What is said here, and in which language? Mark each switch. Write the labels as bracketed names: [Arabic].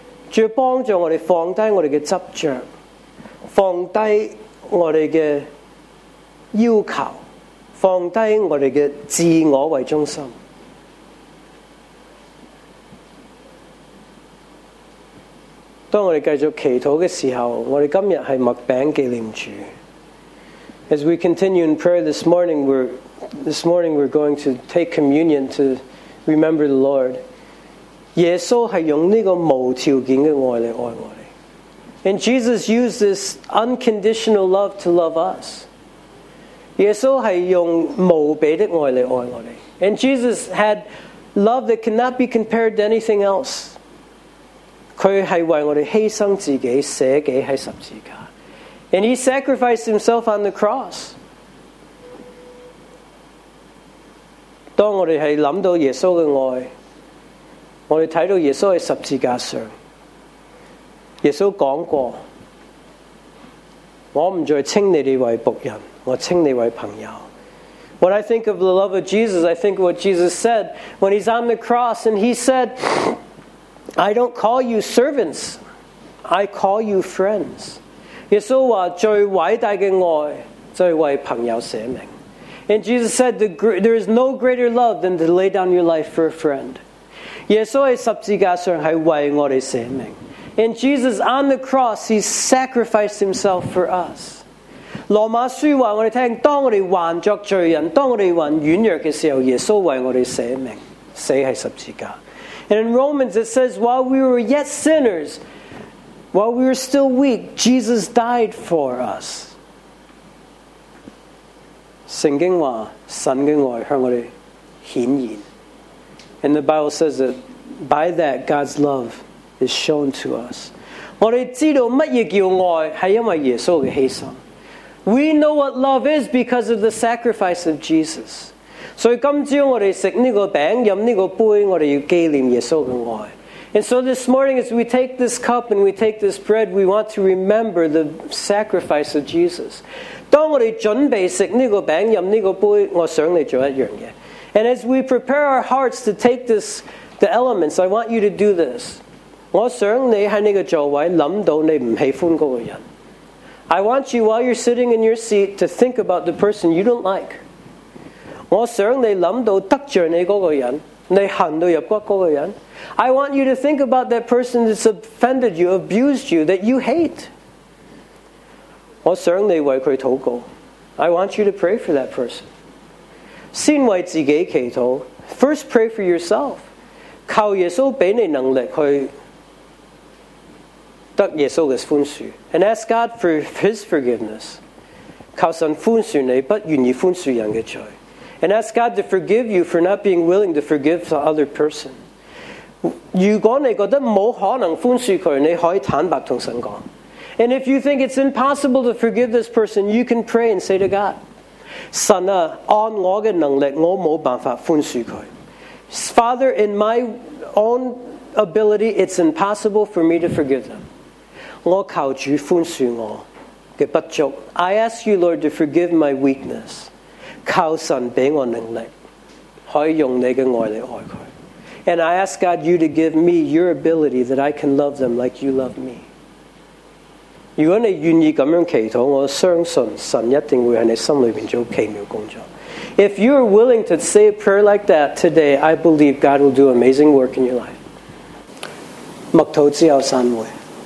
[Chinese] 主，帮助我们放低我们的执着，放低我们的要求，放低我们的自我为中心。当我们继续祈祷的时候，我们今天是麦饼纪念主。 [English] As we continue in prayer this morning, we're going to take communion to remember the Lord. [Chinese] 耶稣是用这个无条件的爱来爱我们。 [English] And Jesus used this unconditional love to love us. [Chinese] 耶稣是用无比的爱来爱我们。 [English] And Jesus had love that cannot be compared to anything else. [Chinese] 他是为我们牺牲自己，舍己在十字架。 [English] And he sacrificed himself on the cross. [Chinese] 当我们是想到耶稣的爱，我们看到耶稣在十字架上，耶稣讲过，我不再称你们为仆人，我称你为朋友。 [English] When I think of the love of Jesus, I think of what Jesus said when he's on the cross and he said, I don't call you servants, I call you friends. [Chinese] 耶稣说最伟大的爱就是为朋友舍命。 [English] And Jesus said, there is no greater love than to lay down your life for a friend. [Chinese] 耶稣在十字架上是为我们舍命。 [English] And Jesus on the cross, he sacrificed himself for us. [Chinese] 罗马书说我们听，当我们还作罪人，当我们还软弱的时候，耶稣为我们舍命，死在十字架。 [English] And in Romans it says, while we were yet sinners, while we were still weak, Jesus died for us. [Chinese] 圣经说神的爱向我们显现。 [English] And the Bible says that by that God's love is shown to us. [Chinese] 我们知道什么叫爱，是因为耶稣的牺牲。 [English] We know what love is because of the sacrifice of Jesus. [Chinese] 所以今朝我们吃这个饼，喝这个杯，我们要纪念耶稣的爱。 [English] And so this morning as we take this cup and we take this bread, we want to remember the sacrifice of Jesus. [Chinese] 当我们准备吃这个饼，喝这个杯，我想你做一样的。 [English] And as we prepare our hearts to take this, the elements, I want you to do this. [Chinese] 我想你在这个座位想到你不喜欢那个人。 [English] I want you while you're sitting in your seat to think about the person you don't like. [Chinese] 我想你想到得罪你那个人，你恨到入骨那个人。 [English] I want you to think about that person that's offended you, abused you, that you hate. [Chinese] 我想你为他祷告。 [English] I want you to pray for that person. [Chinese] 先为自己祈祷 [English] ，first pray for yourself， [Chinese] 靠耶稣俾你能力去得耶稣嘅宽恕 [English] ，and ask God for His forgiveness， [Chinese] 靠神宽恕你不愿意宽恕人嘅罪 [English] ，and ask God to forgive you for not being willing to forgive the other person。 [Chinese] 如果你觉得冇可能宽恕佢，你可以坦白同神讲。 [English] And if you think it's impossible to forgive this person, you can pray and say to God, [Chinese] 神啊，按我嘅能力，我冇办法宽恕佢。 [English] Father, in my own ability, it's impossible for me to forgive them. [Chinese] 我求主宽恕我嘅不足。 [English] I ask you, Lord, to forgive my weakness. [Chinese] 求神俾我能力，可以用你嘅爱嚟爱佢。 [English] And I ask God, you to give me your ability that I can love them like you love me. [Chinese] 如果你愿意这样祈祷，我相信神一定会在你心里面做奇妙工作。 [English] If you are willing to say a prayer like that today, I believe God will do amazing work in your life. [Chinese] 默祷之后散会。